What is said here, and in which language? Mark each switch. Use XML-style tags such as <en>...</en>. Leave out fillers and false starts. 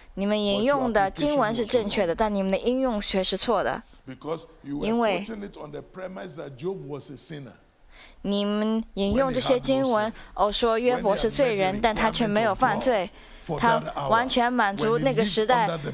<zh>你们引用的经文是正确的，但你们的应用却是错的。</zh> <en>Because you were quoting it on the premise that Job was a sinner.</en> <zh>你们引用这些经文，说约伯是罪人，但他却没有犯罪，他完全满足那个时代，</zh>